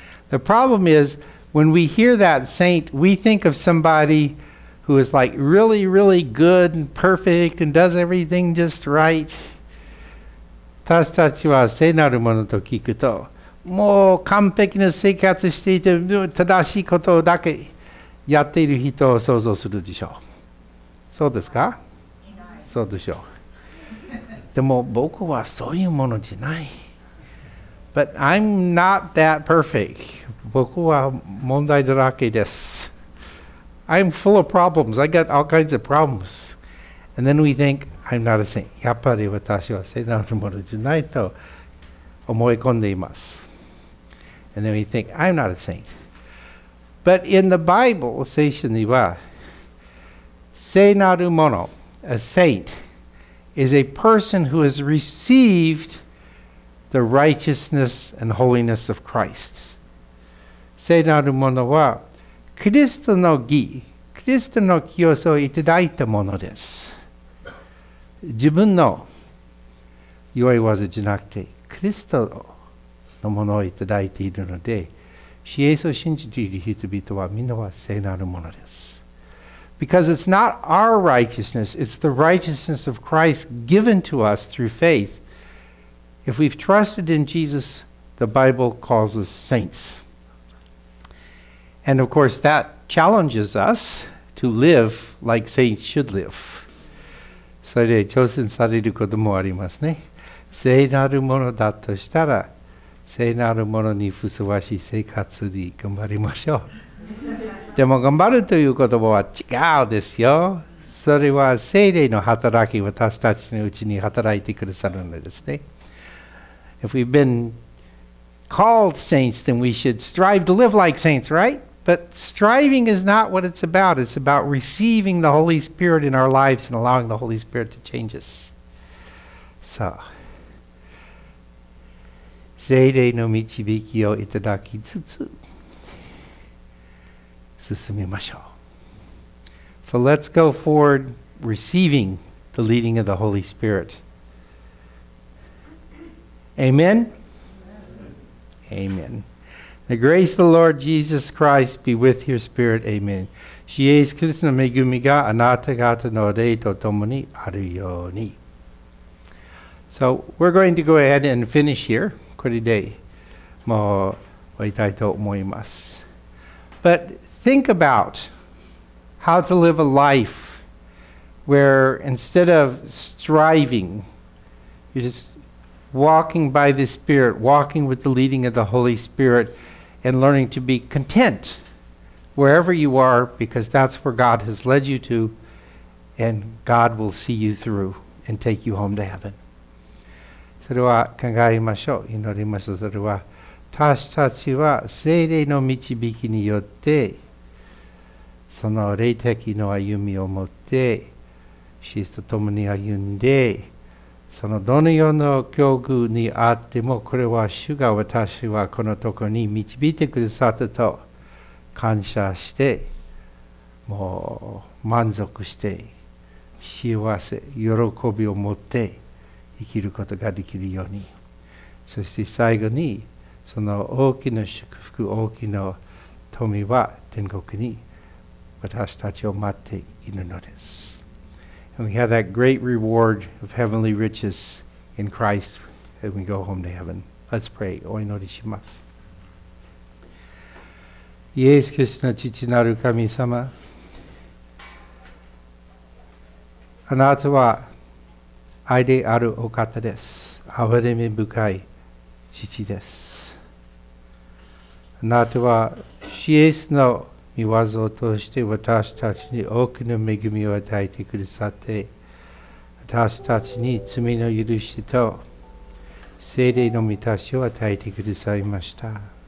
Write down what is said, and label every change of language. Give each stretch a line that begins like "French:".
English: The problem is, when we hear that saint, we think of somebody who is like really, really good and perfect and does everything just right.
Japanese: 私たちは聖なるものと聞くと、もう完璧な生活していて、正しいことだけやっている人を想像するでしょう。そうですか？そうでしょう。でも僕はそういうものじゃない。
English: But I'm not that perfect.
Japanese: 僕は問題だらけです。
English: I'm full of problems. I got all kinds of problems. And then we think, I'm not a saint.
Japanese: やっぱり私は聖なるものじゃないと思い込んでいます。
English: And then we think, I'm not a saint. But in the Bible,
Japanese: 聖書には、聖なるもの、
English: A saint is a person who has received the righteousness and holiness of Christ.
Japanese: 聖なるものは、キリストの義、キリストの清さをいただいたものです。自分の弱い技じゃなくて、キリストのものをいただいているので、イエスを信じている人々はみんなは聖なるものです。
English: Because it's not our righteousness, it's the righteousness of Christ given to us through faith. If we've trusted in Jesus, the Bible calls us saints. And of course, that challenges us to live like saints should live.
Japanese: それで挑戦されることもありますね。聖なるものだとしたら、聖なるものにふさわしい生活に頑張りましょう。でも頑張るという言葉は違うですよ。それは聖霊の働き、私たちのうちに働いてくださるのですね。
English: If we've been called saints, then we should strive to live like saints, right? But striving is not what it's about. It's about receiving the Holy Spirit in our lives and allowing the Holy Spirit to change us.
Japanese: So, 聖霊の導きをいただきつつ、進みましょう。
English: So let's go forward receiving the leading of the Holy Spirit. Amen? Amen. Amen. The grace of the Lord Jesus Christ be with your spirit. Amen.
Japanese: シエスキリストの恵みがあなた方の霊とともにあるように。
English: So we're going to go ahead and finish here.
Japanese: これでもう終わりたいと思います。
English: But think about how to live a life where instead of striving, you're just walking by the Spirit, walking with the leading of the Holy Spirit, and learning to be content wherever you are, because that's where God has led you to, and God will see you through and take you home to heaven.
Japanese: それは考えましょう。祈ります。それは私たちは聖霊の導きによってその霊的の歩みを持って死と共に歩んで、そのどのような境遇にあっても、これは主が私はこのところに導いてくださったと感謝して、もう満足して幸せ喜びを持って生きることができるように。そして最後にその大きな祝福、大きな富は天国に私たちを待っているのです。
English: And we have that great reward of heavenly riches in Christ as we go home to heaven. Let's pray.
Japanese: お祈りします。イエス・キリストの父なる神様、あなたは愛であるお方です。憐れみ深い父です。あなたはシエスの御業を通して私たちに多くの恵みを与えてくださって、私たちに罪の許しと聖霊の満たしを与えてくださいました。